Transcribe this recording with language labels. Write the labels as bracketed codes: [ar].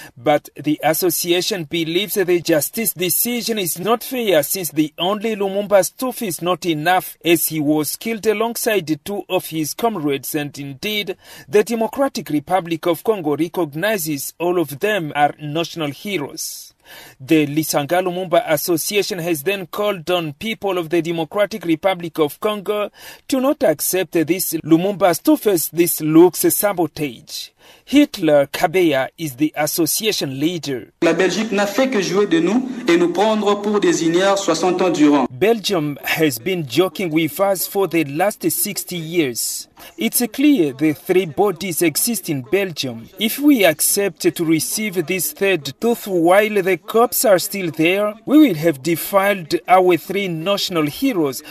[en] But the association believes the justice decision is not fair since the only Lumumba's tooth is not enough, as he was killed alongside two of his comrades, and indeed, the Democratic Republic of Congo recognizes all of them are national heroes. The Lisanga Lumumba Association has then called on people of the Democratic Republic of Congo to not accept this Lumumba's tooth as this looks sabotage. Hitler Kabeya is the association leader. [fr] La Belgique n'a fait que jouer de nous et nous prendre pour des ignares 60 ans durant. [en] Belgium has been joking with us for the last 60 years. It's clear the three bodies exist in Belgium. If we accept to receive this third tooth while the cops are still there, we will have defiled our three national heroes.